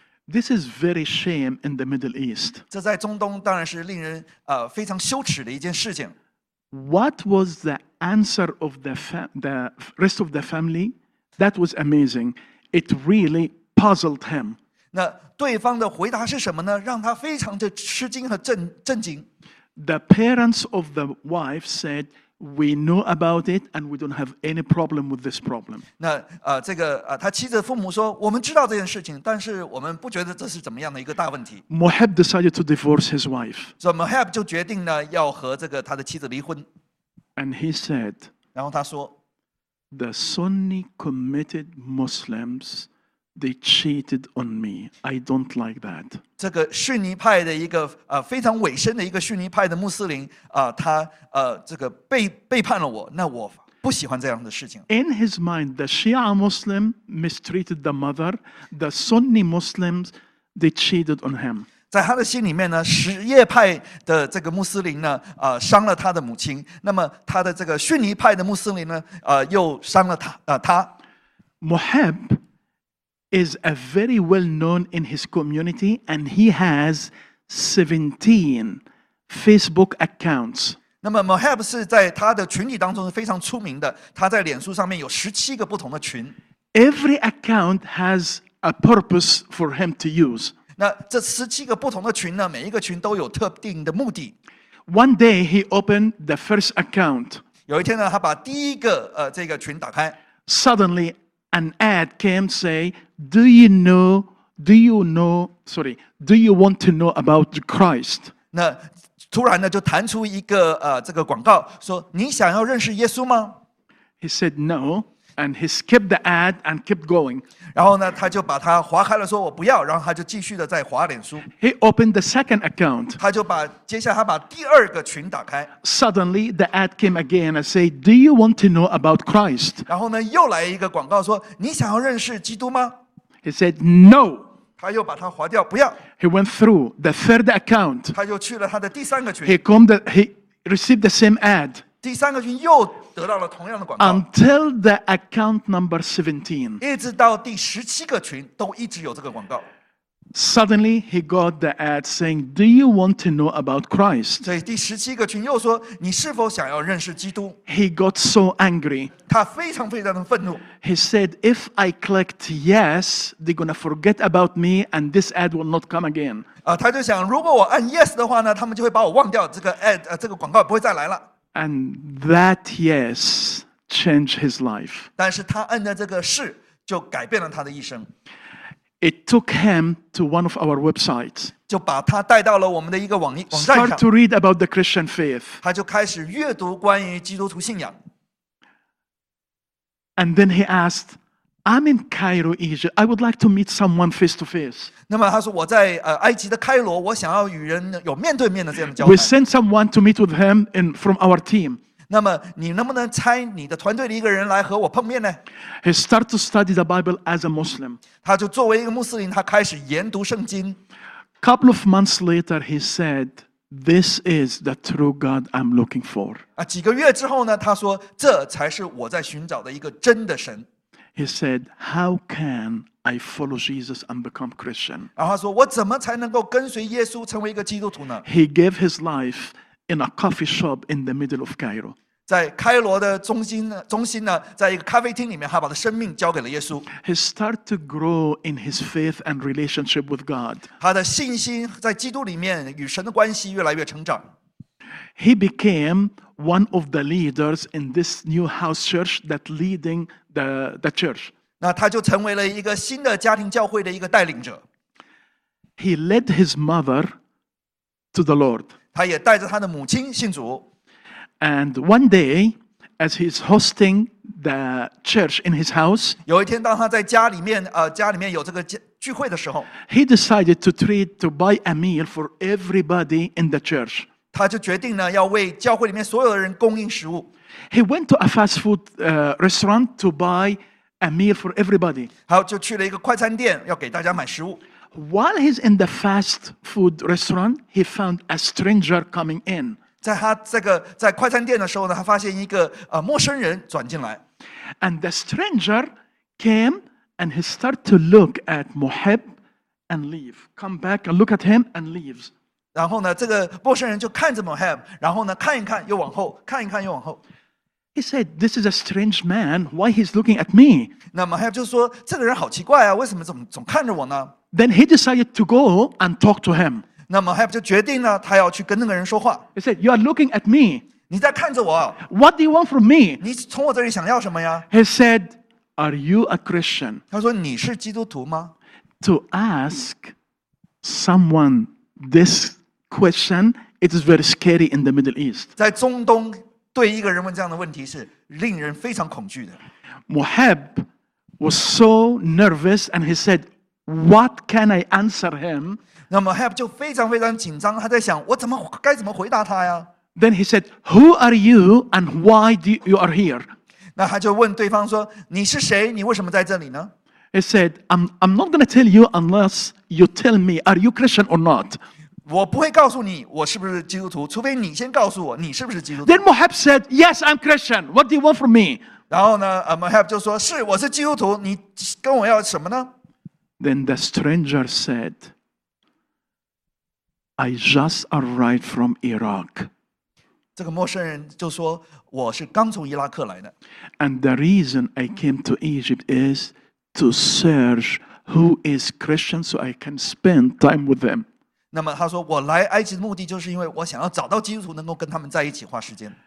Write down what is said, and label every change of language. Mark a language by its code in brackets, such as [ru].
[en] This is very shame in the Middle East. [zh] 这在中东当然是令人非常羞耻的一件事情。 [en] What was the answer of the rest of the family? That was amazing. It really puzzled him. [zh] 那对方的回答是什么呢？让他非常的吃惊和震惊。 [en] The parents of the wife said, "We know about it, and we don't have any problem with this problem." [zh] 那这个他妻子父母说，我们知道这件事情，但是我们不觉得这是怎么样的一个大问题。 [en] Mohab decided to divorce his wife. So [zh] Mohab 就决定呢，要和这个他的妻子离婚。 [en] And he said, [zh] 然后他说 [en] "The Sunni committed Muslims, they cheated on me. I don't like that." [zh] 这个逊尼派的一个非常委身的一个逊尼派的穆斯林他这个背叛了我，那我不喜欢这样的事情。 [en] In his mind, the Shia Muslim mistreated the mother. The Sunni Muslims, they cheated on him. [zh] 在他的心里面呢，什叶派的这个穆斯林呢，伤了他的母亲。那么他的这个逊尼派的穆斯林呢，又伤了他。 [en] Mohab is a very well known in his community, and he has 17 Facebook accounts. [zh] 那么 Mohab 是在他的群体当中是非常出名的，他在脸书上面有17个不同的群。 [en] Every account has a purpose for him to use. [zh] 那这十七个不同的群呢，每一个群都有特定的目的。 [en] One day he opened the first account. [zh] 有一天呢，他把第一个这个群打开。 [en] Suddenly an ad came saying, do you want to know about Christ? [zh] 那突然呢就弹出一个这个广告说你想要认识耶稣吗？ [en] He said no, and he skipped the ad and kept going. [zh] 然后呢他就把它划开了说我不要，然后他就继续的在划脸书。 [en] He opened the second account. [zh] 他就把接下来他把第二个群打开。 [en] Suddenly the ad came again and said, do you want to know about Christ? [zh] 然后呢又来一个广告说你想要认识基督吗？ [en] He said no. [zh] 他又把它划掉，不要。 [en] He went through the third account. [zh] 他又去了他的第三个群。 [en] He received the same ad. [zh] 第三个群又得到了同样的广告。 [en] Until the account number 17. [zh] 一直到第十七个群都一直有这个广告。 [en] Suddenly he got the ad saying, "Do you want to know about Christ?" [zh] 所以第十七个群又说，你是否想要认识基督？ [en] He got so angry. [zh] 他非常非常的愤怒。 [en] He said, "If I clicked yes, they're gonna forget about me, and this ad will not come again." [zh] 他就想，如果我按 yes 的话呢，他们就会把我忘掉，这个 ad 这个广告不会再来了。 [en] And that yes changed his life. [zh] 但是他按的这个是，就改变了他的一生。 [en] It took him to one of our websites. [zh] 就把他带到了我们的一个网站上。 [en] Start to read about the Christian faith. [zh] 他就开始阅读关于基督徒信仰。 [en] And then he asked, "I'm in Cairo, Egypt. I would like to meet someone face to face." [zh] 那么他说我在埃及的开罗，我想要与人有面对面的这样的交谈。 [en] We sent someone to meet with him and from our team. [zh] 那么你能不能猜你的团队的一个人来和我碰面呢？ [en] He started to study the Bible as a Muslim. [zh] 他就作为一个穆斯林，他开始研读圣经。 [en] Couple of months later, he said, "This is the true God I'm looking for." [zh] 几个月之后呢，他说这才是我在寻找的一个真的神。 [en] He said, "How can I follow Jesus and become Christian?" [zh] 然后他说我怎么才能够跟随耶稣成为一个基督徒呢？ [en] He gave his life in a coffee shop in the middle of Cairo. [zh] 在开罗的中心呢，在一个咖啡厅里面，他把他的生命交给了耶稣。 [en] He started to grow in his faith and relationship with God. [zh] 他的信心在基督里面与神的关系越来越成长。 [en] He became one of the leaders in this new house church that leading the church. [zh] 那他就成为了一个新的家庭教会的一个带领者。 [en] He led his mother to the Lord. [zh] 他也带着他的母亲信主。 [en] And one day, as he's hosting the church in his house, [zh] 有一天当他在家里面有这个聚会的时候， [en] he decided to buy a meal for everybody in the church. [zh] 他就决定呢要为教会里面所有的人供应食物。 [en] He went to a fast food restaurant to buy a meal for everybody. [zh] 好，就去了一个快餐店要给大家买食物。 [en] While he's in the fast food restaurant, he found a stranger coming in. [zh] 在他这个在快餐店的时候呢，他发现一个陌生人转进来。 [en] And the stranger came and he started to look at Muhib and leave. Come back and look at him and leaves. [zh] 然后呢，这个陌生人就看着 Muhib， 然后呢看一看又往后，看一看又往后。 [en] He said, "This is a strange man. Why he's looking at me?" [zh] 那么还就说这个人好奇怪啊，为什么总看着我呢？ [en] Then he decided to go and talk to him. [zh] 那么还就决定呢，他要去跟那个人说话。 [en] He said, "You are looking at me." [zh] 你在看着我。 [en] What do you want from me? [zh] 你从我这里想要什么呀？ [en] He said, "Are you a Christian?" [zh] 他说你是基督徒吗？ [en] To ask someone this question, it is very scary in the Middle East. [zh] 在中东。对一个人问这样的问题是令人非常恐惧的。 [en] Muhib was so nervous, and he said, "What can I answer him?" [zh] 那么 Muhib 就非常非常紧张，他在想我该怎么回答他呀。 [en] Then he said, "Who are you, and why do you are here?" [zh] 那他就问对方说，你是谁？你为什么在这里呢？ [en] He said, "I'm not going to tell you unless you tell me, are you Christian or not?" [zh] 我不会告诉你我是不是基督徒，除非你先告诉我你是不是基督徒。 [en] Then Muhib said, "Yes, I'm Christian. What do you want from me?" [zh] 然后呢 ，Muhib 就说是我是基督徒，你跟我要什么呢 [en] ？Then the stranger said, "I just arrived from Iraq." [zh] 这个陌生人就说我是刚从伊拉克来的。 [en] And the reason I came to Egypt is to search who is Christian so I can spend time with them. [zh] 那么他说我来埃及的目的就是因为我想要找到基督徒能够跟他们在一起花时间。